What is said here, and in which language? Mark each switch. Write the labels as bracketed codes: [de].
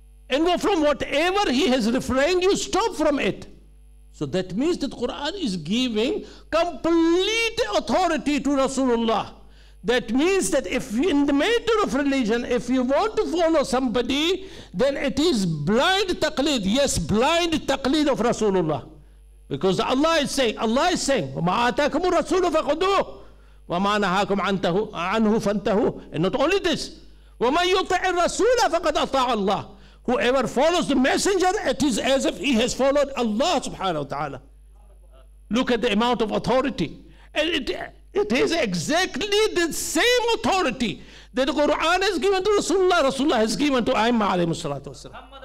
[en] And from whatever he has refrained, you stop from it. So that means that Quran is giving complete authority to Rasulullah. That means that if in the matter of religion, if you want to follow somebody, then it is blind taqlid. Yes, blind taqlid of Rasulullah. Because Allah is saying, [ar] وَمَا آتَاكُمُ الرَّسُولُ فَخُذُوهُ وَمَا نَهَاكُمْ عَنْهُ فَانْتَهُوا. [en] And not only this, [ar] وَمَنْ يُطِعِ الرَّسُولَ فَقَدْ أَطَاعَ اللَّهُ. [en] Whoever follows the messenger, it is as if he has followed Allah subhanahu wa ta'ala. Look at the amount of authority. And it is exactly the same authority that the Quran has given to Rasulullah. Rasulullah has given to A'imma alayhimus salatu wa salam.